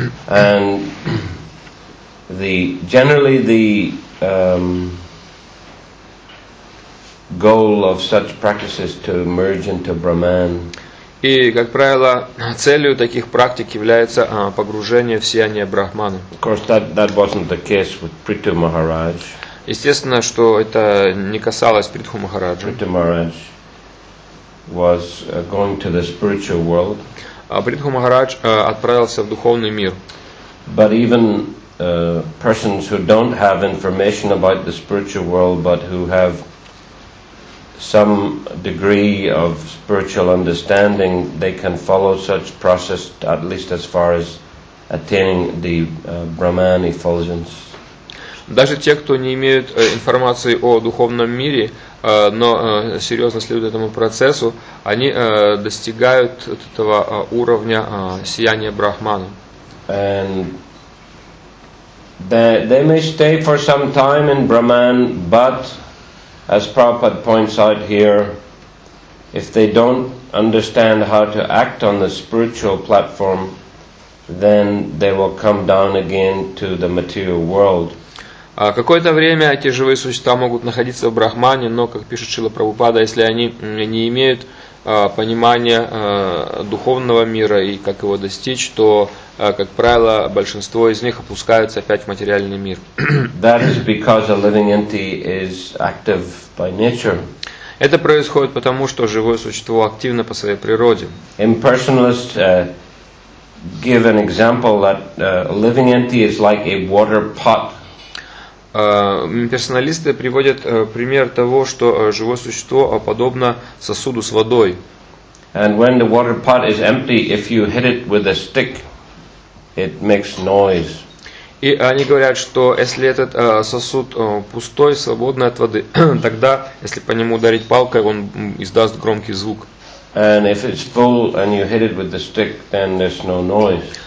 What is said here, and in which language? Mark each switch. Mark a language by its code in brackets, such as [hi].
[en] And the generally the goal of such practices to merge into Brahman. [ru] И как правило целью таких практик является погружение в сияние Брахмана. [en] Of course, that wasn't the case with Prithu Maharaj. [ru] Естественно, что это не касалось Притху Махараджи. [en] Prithu Maharaj was going to the spiritual world. [ru] Притху Махарадж отправился в духовный мир. [en] But even persons who don't have information about the spiritual world, but who have some degree of spiritual understanding, they can follow such process at least as far as attaining the Brahman effulgence. [ru] Даже те, кто не имеют информации о духовном мире, но серьезно следуют этому процессу, они достигают этого уровня сияния Брахмана. [en] And they may stay for some time in Brahman, but as Prabhupada points out here, if they don't understand how to act on the spiritual platform, then they will come down again to the material world. [ru] Какое-то время эти живые существа могут находиться в Брахмане, но, как пишет Шрила Прабхупада, если они не имеют понимания духовного мира и как его достичь, то, как правило, большинство из них опускаются опять в материальный мир. [en] That is because a living entity is active by nature. [ru] Это происходит потому, что живое существо активно по своей природе. [en] Impersonalist give an example that a living entity is like a water pot. [ru] Персоналисты приводят пример того, что живое существо подобно сосуду с водой. [en] And when the water pot is empty, if you hit it with a stick, it makes noise. [ru] И они говорят, что если этот сосуд пустой, свободный от воды, тогда, если по нему ударить палкой, он издаст громкий звук. [en] And if it's full and you hit it with the stick, then there's no noise.